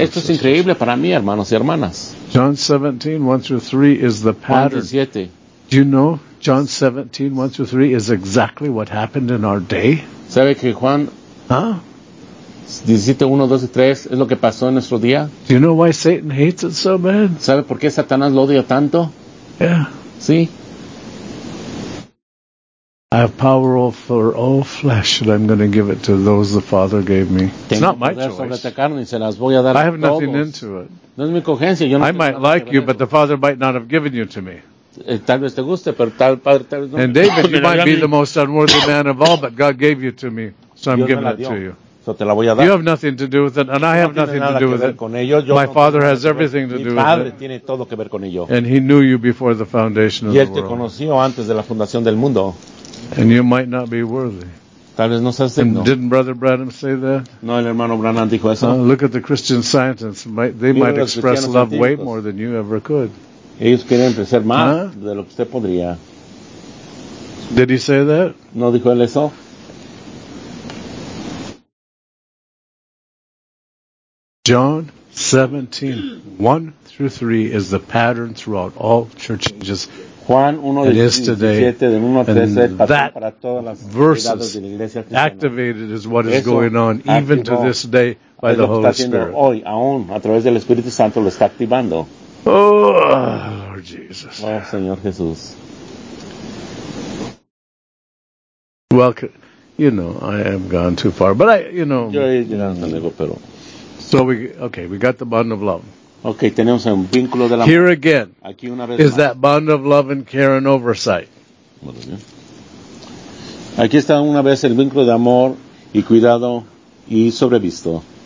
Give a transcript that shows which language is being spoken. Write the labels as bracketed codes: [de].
[es] Esto es increíble para mí, hermanos y hermanas. [en] John 17, 1 through 3 is the pattern. [es] Juan 17. [en] Do you know John 17, 1 through 3 is exactly what happened in our day? [es] ¿Sabe que Juan? Huh? 17, 1, 2 y 3 es lo que pasó en nuestro día. [en] Do you know why Satan hates it so bad? [es] ¿Sabe por qué Satanás lo odia tanto? [en] Yeah. [es] Sí. [en] I have power over all flesh, and I'm going to give it to those the Father gave me. It's not my choice. I have nothing into it. [es] No es mi cogencia, yo no [en] I might like you, but the Father might not have given you to me. [es] Tal vez te guste, pero tal padre, tal vez no. [en] And David, you might be the most unworthy man of all, but God gave you to me, so I'm giving it to you. [es] So te la voy a dar. [en] You have nothing to do with it, and I have nothing to do with it. My Father has everything to do with it. [es] Mi padre tiene todo que ver con ello. [en] And he knew you before the foundation of the world. [es] Y él te conoció antes de la fundación del mundo. [en] And you might not be worthy. [es] Tal vez no seas digno. [en] And didn't Brother Branham say that? [es] No, el hermano Branham dijo eso. [en] Look at the Christian scientists. They might express love way more than you ever could. [es] Ellos quieren ser más de lo que usted podría. [en] Did he say that? [es] No dijo él eso. [en] John 17, 1 through 3 is the pattern throughout all church ages. [es] Juan 1, [en] it is today, and that [es] para todas las [en] verses [es] de la iglesia [en] activated is what is going on even to this day by the Holy Spirit. [es] Hoy, aún, a través del Espíritu Santo, lo está activando. [en] Oh, Lord Jesus. [es] Oh, Señor Jesús. [en] Well, you know, I have gone too far, but I, you know. [es] Yo he llegado a algo, pero. [en] So, we got the bond of love. [es] Okay, tenemos un vínculo de la [en] Here again [es] aquí una vez [en] is [es] más. [en] That bond of love and care and oversight. [es] Aquí está una vez el vínculo de amor y cuidado y sobrevisto.